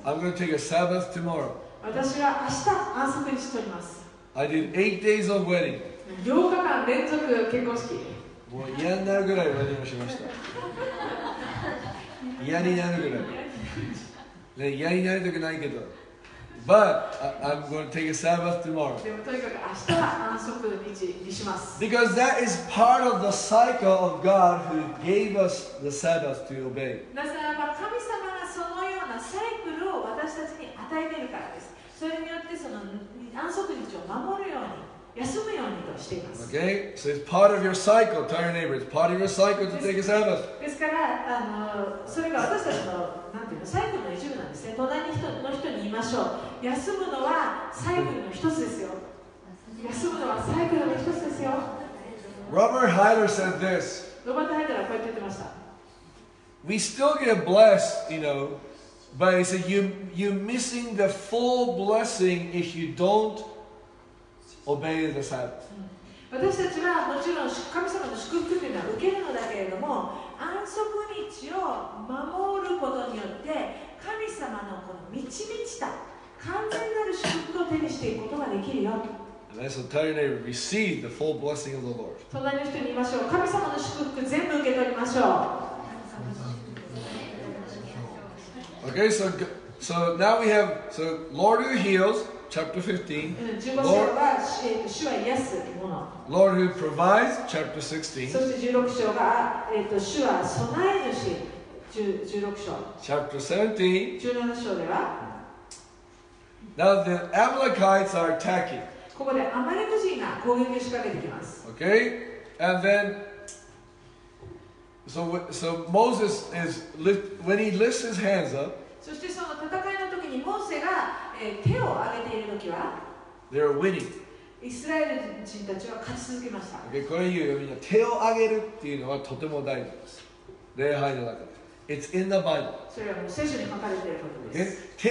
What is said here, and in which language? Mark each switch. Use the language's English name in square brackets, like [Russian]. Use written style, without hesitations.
[English] I'm going to take a Sabbath tomorrow. [Japanese] 私は明日安息日とります。 [English] I did 8 days of wedding. [Japanese] 8日間連続結婚式。もう嫌になるぐらいウェディングしました。嫌になるぐらい。ね、嫌になりたくないけど。 [English] But I'm going to take a Sabbath tomorrow. [Japanese] でもとにかく明日は安息日にします。 [English] Because that is part of the cycle of God who gave us the Sabbath to obey. [Japanese] なぜならば神様がそのようなサイクルを私たちに与えているからです。それによってその安息日を守るように。 [English] Okay, so it's part of your cycle, tell your neighbor, it's part of your cycle to take a Sabbath. [Japanese] ですから、それが私たちの、なんていうの、サイクルの一部なんですね。隣の人に言いましょう。休むのはサイクルの一つですよ。休むのはサイクルの一つですよ。 [English] Robert Heiler said this. [Japanese] ロバート・ハイダーはこう言ってました。 [English] We still get blessed, you know, but he said, you're missing the full blessing if you don'tObey the Sabbath. [Japanese] 私たちはもちろん神様の祝福というのは受けるのだけれども、安息日を守ることによって神様のこの満ち満ちた完全なる祝福を手にしていくことができるよ。 [English] And I shall tell your neighbor, receive the full blessing of the Lord. [Japanese] 隣の人に言いましょう。神様の祝福全部受け取りましょう。 [English] Okay, so now we have so Lord who heals. Chapter 15. Lord who provides, chapter 16. [Japanese] そして16章が、主は備え主、16章。 [English] Chapter 17. [Japanese] 17章では。 [English] Now the Amalekites are attacking. [Japanese] ここでアマレク人が攻撃を仕掛けてきます。 [English] Okay, and then. So Moses is lift, when he lifts his hands up. [Japanese] そしてその戦いの時にモーセが、手を上げている時は [English] They are winning. [Japanese] イスラエル人たちは勝ち続けました。 Okay, これ言うよみんな手を上げるっていうのはとても大事です。礼拝の中で。 [English] It's in the Bible. [Japanese] それはもう聖書に書かれていることです。Okay?